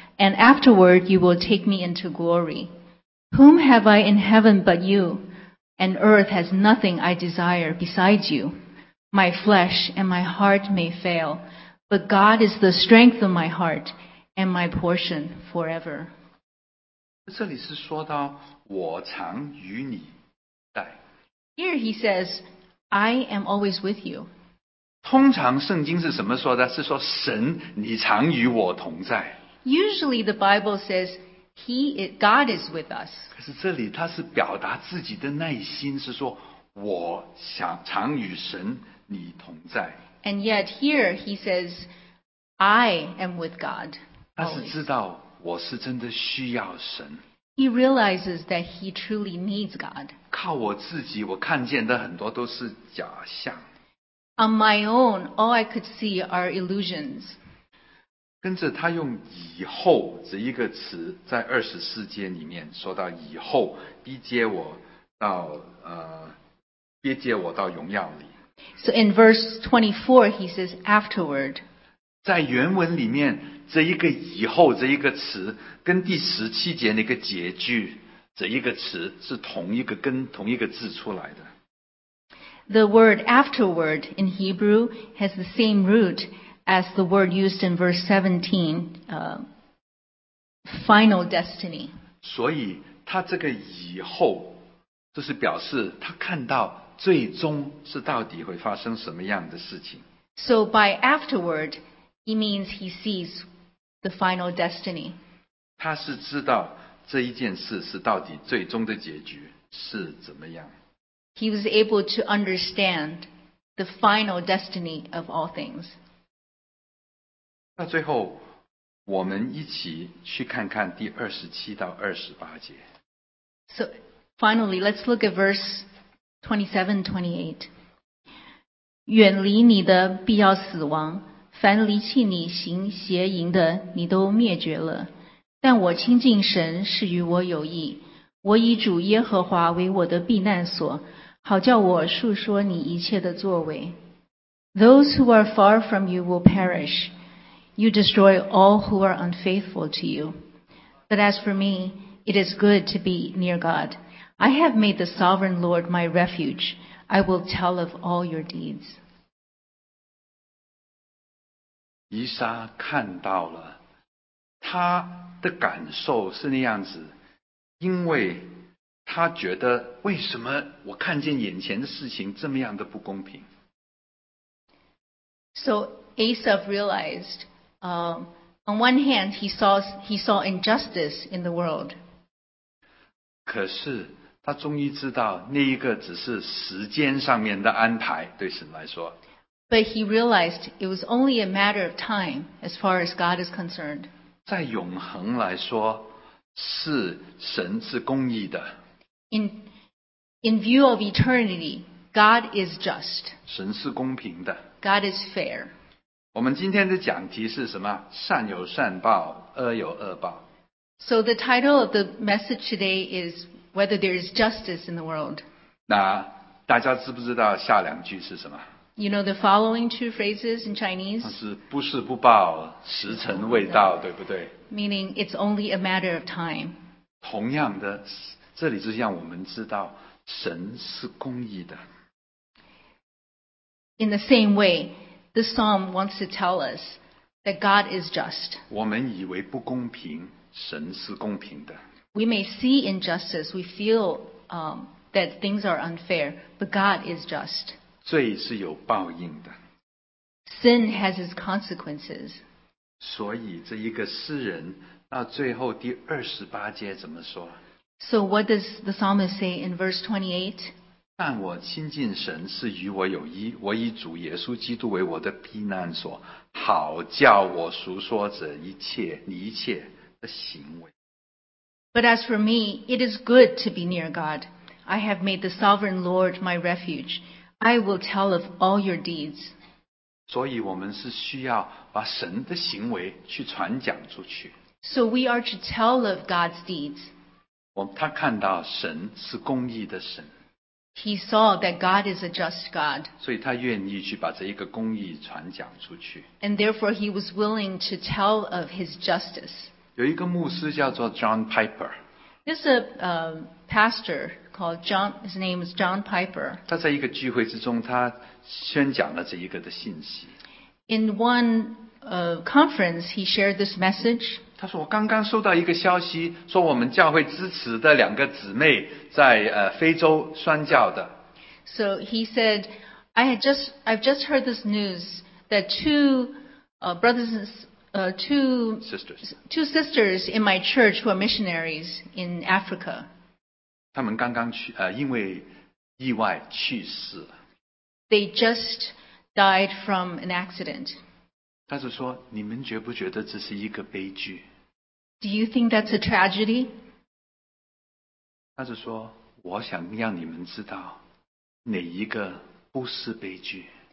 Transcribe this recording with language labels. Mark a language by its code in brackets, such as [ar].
[en] And afterward you will take me into glory. Whom have I in heaven but you? And earth has nothing I desire besides you. My flesh and my heart may fail, but God is the strength of my heart and my portion forever. [zh] 这里是说到我常与你在。 [en] Here he says, I am always with you. [zh] 通常圣经是什么说的？是说神，你常与我同在。 [en] Usually the Bible says, God is with us. [zh] 可是这里他是表达自己的内心，是说我想常与神你同在。 [en] And yet here he says, I am with God. [zh] 他是知道我是真的需要神。 [en] He realizes that he truly needs God. [zh] 靠我自己，我看见的很多都是假象。 [en] On my own, all I could see are illusions. [zh] 跟着他用以后这一个词，在二十四节里面说到以后逼接我到逼接我到荣耀里。 [en] So in verse 24, he says afterward. [zh] 在原文里面，这一个以后这一个词，跟第十七节那个结句这一个词是同一个根同一个字出来的。 [en] The word afterward in Hebrew has the same root as the word used in verse 17, final destiny. [zh] 所以他这个以后就是表示他看到最终是到底会发生什么样的事情。 [en] So by afterward, he means he sees the final destiny. [zh] 他是知道这一件事是到底最终的结局是怎么样。 [en] He was able to understand the final destiny of all things. [zh] 那最后我们一起去看看第二十七到二十八节。 [en] So finally, let's look at verse 27-28. [zh] 远离你的必要死亡，凡离弃你行邪淫的你都灭绝了。但我亲近神是与我有益，我以主耶和华为我的避难所，好叫我述说你一切的作为。 [en] Those who are far from you will perish. You destroy all who are unfaithful to you. But as for me, it is good to be near God. I have made the sovereign Lord my refuge. I will tell of all your deeds. [zh] 以撒看到了，他的感受是那样子，因为他觉得为什么我看见眼前的事情这么样的不公平。 [en] So Asaph realized, on one hand, he saw injustice in the world. [zh] 可是他终于知道那一个只是时间上面的安排对神来说。 [en] But he realized it was only a matter of time as far as God is concerned. [zh] 在永恒来说是神是公义的。 [en] In view of eternity, God is just. [zh] 神是公平的。 [en] God is fair. [zh] 我们今天的讲题是什么？善有善报，恶有恶报。 [en] So the title of the message today is whether there is justice in the world. [zh] 那大家知不知道下两句是什么？ [en] You know the following two phrases in Chinese? [zh] 是不是不报，时辰未到，对不对？ [en] Meaning it's only a matter of time. [zh] 同样的。这里就让我们知道神是公义的。 [en] In the same way, the psalm wants to tell us that God is just. [zh] 我们以为不公平，神是公平的。 [en] We may see injustice, we feel that things are unfair, but God is just. [zh] 罪是有报应的。 [en] Sin has its consequences. [zh] 所以这一个诗人，那最后第二十八节怎么说？ [en] So what does the psalmist say in verse 28? [zh] 但我亲近神是与我有益，我以主耶稣基督为我的避难所，好叫我述说这一切你一切的行为。 [en] But as for me, it is good to be near God. I have made the sovereign Lord my refuge. I will tell of all your deeds. [zh] 所以我们是需要把神的行为去传讲出去。 [en] So we are to tell of God's deeds. [zh] 他看到神是公义的神。 [en] He saw that God is a just God. [zh] 所以他愿意去把这一个公义传讲出去。 [en] And therefore he was willing to tell of his justice. [zh] 有一个牧师叫做 John Piper. [en] There's a pastor called John, his name is John Piper. [zh] 他在一个聚会之中他宣讲了这一个的信息。 [en] In one conference, he shared this message. [zh] 他说我刚刚收到一个消息说我们教会支持的两个姊妹在非洲宣教的。 [en] So he said, I've just heard this news that two sisters in my church who are missionaries in Africa. [zh] 他们刚刚去因为意外去世。 [en] They just died from an accident. [zh] 他就说你们觉不觉得这是一个悲剧？ [en] Do you think that's a tragedy? [zh] 他是说我想让你们知道哪一个不是悲剧。